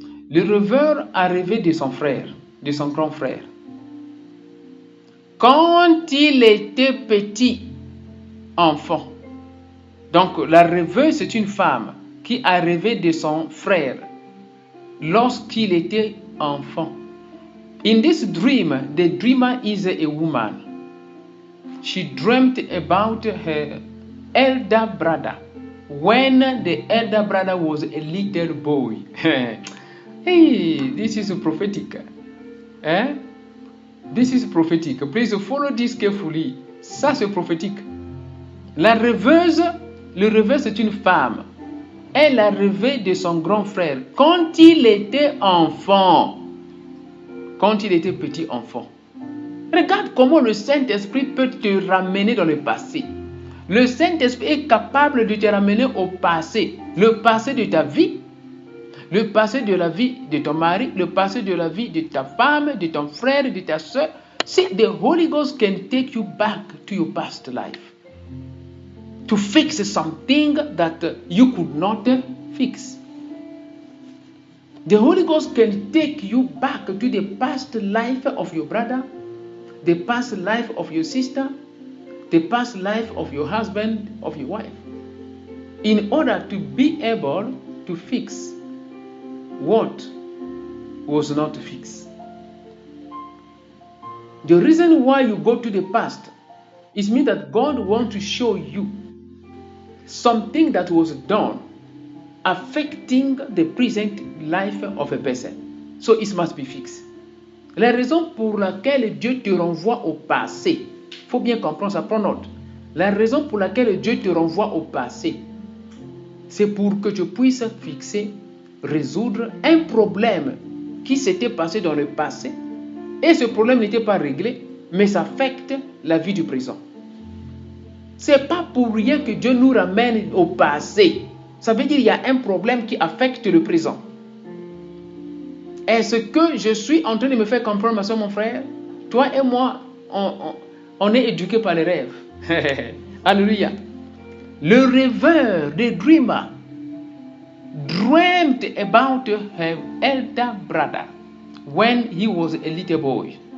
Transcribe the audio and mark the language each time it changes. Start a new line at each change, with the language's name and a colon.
French: Le rêveur a rêvé de son frère, de son grand frère. Quand il était petit enfant, donc la rêveuse est une femme qui a rêvé de son frère lorsqu'il était enfant.
English: In this dream, the dreamer is a woman. She dreamt about her elder brother when the elder brother was a little boy. Hey, this is prophetic. Hein? This is prophetic. Please follow this carefully.
French: Ça, c'est prophétique. La rêveuse, le rêveur, c'est une femme. Elle a rêvé de son grand frère quand il était enfant. Quand il était petit enfant. Regarde comment le Saint-Esprit peut te ramener dans le passé. Le Saint-Esprit est capable de te ramener au passé. Le passé de ta vie. Le passé de la vie de ton mari, le passé de la vie de ta femme, de ton frère, de ta soeur.
English: See, the Holy Ghost can take you back to your past life. To fix something that you could not fix. The Holy Ghost can take you back to the past life of your brother, the past life of your sister, the past life of your husband, of your wife. In order to be able to fix what was not fixed. The reason why you go to the past is mean that God wants to show you something that was done affecting the present life of a person. So it must be fixed.
French: La raison pour laquelle Dieu te renvoie au passé, faut bien comprendre ça, prends note. La raison pour laquelle Dieu te renvoie au passé, c'est pour que tu puisses fixer, résoudre un problème qui s'était passé dans le passé et ce problème n'était pas réglé, mais ça affecte la vie du présent. C'est pas pour rien que Dieu nous ramène au passé. Ça veut dire qu'il y a un problème qui affecte le présent. Est-ce que je suis en train de me faire comprendre, ma soeur, mon frère? Toi et moi, on est éduqués par les rêves. Alléluia. Le rêveur,
English: le dreamer, dreamt about her elder brother when he was a little boy.